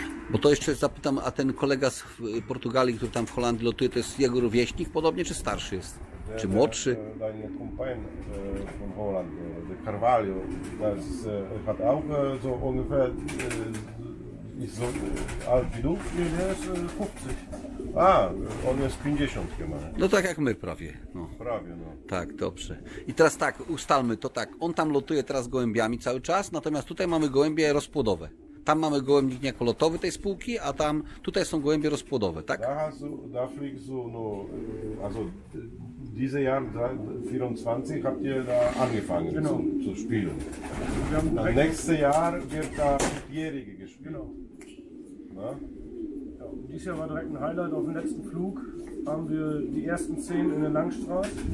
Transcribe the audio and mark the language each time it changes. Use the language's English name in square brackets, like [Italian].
[Polish] Bo to jeszcze zapytam, a ten kolega z Portugalii, który tam w Holandii lotuje, to jest jego rówieśnik podobnie, czy starszy jest? Czy młodszy? [German] Deine Kumpel von Holland, de Carvalho, das hat auch so ungefähr ist so alt wie du? [Polish] Nie, nie, jest 50. A, on jest 50 chyba. No tak jak my prawie. No. Prawie, no. Tak, dobrze. I teraz tak, ustalmy to tak. On tam lotuje teraz gołębiami cały czas, natomiast tutaj mamy gołębie rozpłodowe. Tam mamy gołębnik niekolotowy tej spółki, a tam tutaj są gołębie rozpłodowe, tak? [German] Da fliegst du, no, also diese Jahr 24 habt ihr da angefangen genau. zu spielen. Nächstes Jahr wird da Jährige gespielt. Genau. Na? Ja, dieses Jahr war direkt ein Highlight. Auf dem letzten Flug haben wir die ersten 10 in der Langstraße.